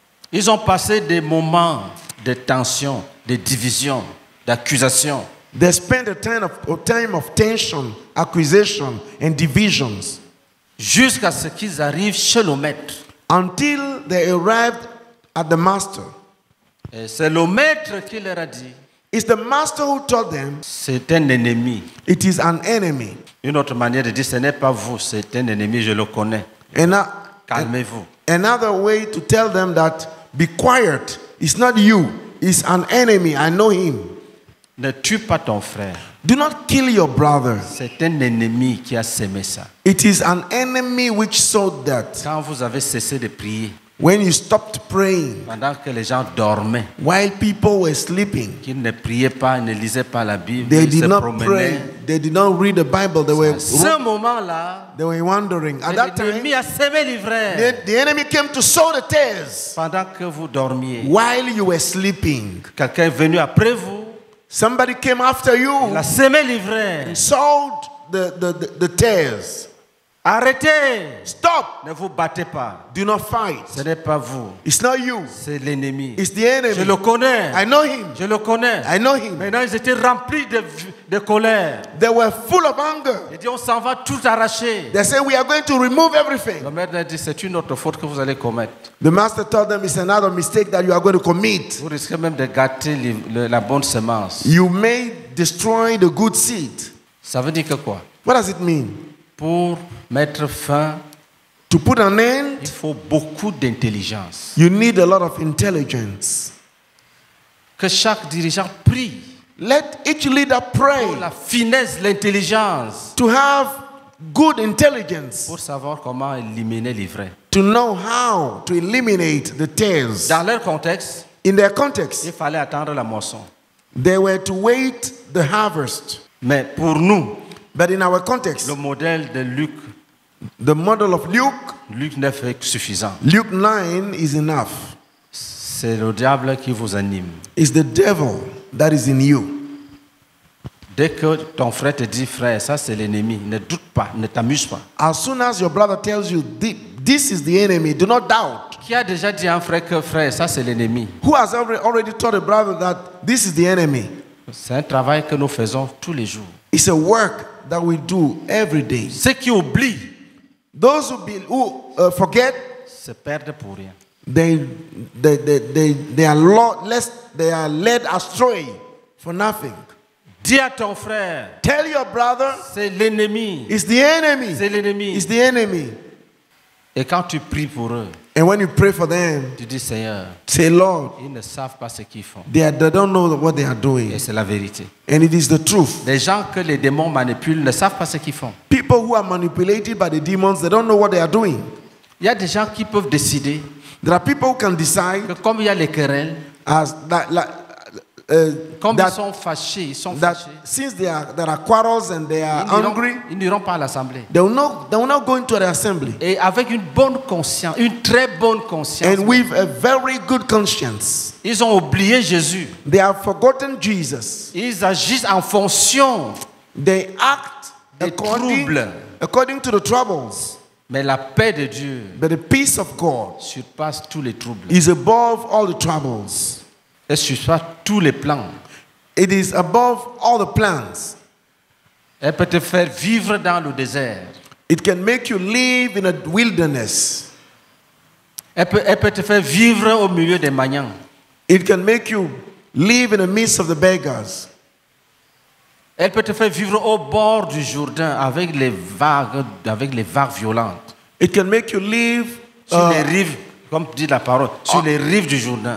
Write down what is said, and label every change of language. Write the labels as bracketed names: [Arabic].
[French] Ils ont passé des moments de tension, de division, d'accusation. [English] They spent a time of tension, accusation and divisions. [French] Jusqu'à ce qu'ils arrivent chez le maître. [English] Until they arrived at the master. [French] Et c'est le maître qui leur a dit. [English] It's the master who told them. [French] C'est un ennemi. [English] It is an enemy. [French] Une autre manière de dire, ce n'est pas vous, c'est un ennemi, je le connais. Calmez-vous. [English] Another way to tell them that, be quiet, it's not you, it's an enemy, I know him. [French] Ne tue pas ton frère. [English] Do not kill your brother. [French] C'est un ennemi qui a semé ça. [English] It is an enemy which sowed that. [French] Quand vous avez cessé de prier. [English] When you stopped praying, [French] pendant que les gens dormaient, [English] while people were sleeping, [French] qu'ils ne priaient pas, ne lisaient pas la Bible, [English] they did [French] ils se [English] not [French] promenaient. [English] Pray, they did not read the Bible, they were [French] ce moment-là, [English] they were wandering. At that time, [French] l'ennemi a semé l'ivraie. [English] The enemy came to sow the tares. [French] Pendant que vous dormiez, [English] while you were sleeping, [French] quelqu'un est venu après vous. [English] Somebody came after you. [French] Il a semé l'ivraie. [English] Sowed the tares. [French] Arrêtez! [English] Stop! [French] Ne vous battez pas. [English] Do not fight. [French] Ce n'est pas vous. [English] It's not you. [French] C'est l'ennemi. [English] It's the enemy. [French] Je le connais. [English] I know him. [French] Je le connais. [English] I know him. [French] Maintenant, ils étaient remplis de colère. [English] They were full of anger. [French] Ils disaient, on s'en va tout arracher. [English] They said, we are going to remove everything. [French] Le maître dit, c'est une autre faute que vous allez commettre. [English] The master told them, it's another mistake that you are going to commit. [French] Vous risquez même de gâter la bonne semence. [English] You may destroy the good seed. [French] Ça veut dire que quoi? [English] What does it mean? [French] Pour mettre fin, [English] to put an end, [French] il faut beaucoup d'intelligence. [English] You need a lot of intelligence. [French] Que chaque dirigeant prie. [English] Let each leader pray. [French] Pour la finesse, l'intelligence. [English] To have good intelligence. [French] Pour savoir comment éliminer l'ivraie. [English] To know how to eliminate the tares. [French] Dans leur contexte, [English] in their context, [French] il fallait attendre la moisson. [English] They were to wait the harvest. [French] Mais pour nous. [English] But in our context, [French] le modèle de Luc, [English] the model of Luke, [French] Luke 9 est suffisant. [English] Luke 9 is enough. [French] C'est le diable qui vous anime. [English] It's the devil that is in you. [French] Dès que ton frère te dit, frère, ça c'est l'ennemi, ne doute pas, ne t'amuse pas. [English] As soon as your brother tells you, this is the enemy, do not doubt. [French] Qui a déjà dit à un frère que, frère, ça c'est l'ennemi? [English] Who has already told a brother that this is the enemy? [French] C'est un travail que nous faisons tous les jours. [English] It's a work that we do every day. [French] Ceux qui oublient, [English] those who forget, [French] se perdent pour rien. [English] They are led astray for nothing. [French] Dis à ton frère, [English] tell your brother, [French] c'est l'ennemi. [English] It's the enemy. [French] C'est l'ennemi. [English] It's the enemy. [French] Et quand tu pries pour eux, [English] and when you pray for them, [French] tu dis, Seigneur, [English] say, Lord, [French] ils ne savent pas ce qu'ils font. [English] They don't know what they are doing. [French] Et c'est la vérité. [English] And it is the truth. [French] Les gens que les démons manipulent ne savent pas ce qu'ils font. [English] People who are manipulated by the demons, they don't know what they are doing. [French] Il y a des gens qui peuvent décider. [English] There are people who can decide. [French] Que comme il y a les querelles, [English] as that, like, [French] comme that, ils sont fâchés, ils sont fâchés. [English] Since there are quarrels and they are angry, [French] ils n'iront pas à l'assemblée. [English] They will not go into the assembly. [French] Et avec une bonne conscience, une très bonne conscience. [English] And with a very good conscience. [French] Ils ont oublié Jésus. [English] They have forgotten Jesus. [French] Ils agissent en fonction. [English] They act according to the troubles. [French] Mais la paix de Dieu, [English] but the peace of God, [French] surpasse tous les troubles. [English] Is above all the troubles. [French] Et surpasse tous les plans. [English] It is above all the plans. [French] Elle peut te faire vivre dans le désert. [English] It can make you live in a wilderness. [French] Elle peut te faire vivre au milieu des magnans. [English] It can make you live in the midst of the beggars. [French] Elle peut te faire vivre au bord du Jourdain avec les vagues, violentes. [English] It can make you live [French] sur les rives, comme dit la parole, sur les rives du Jourdain.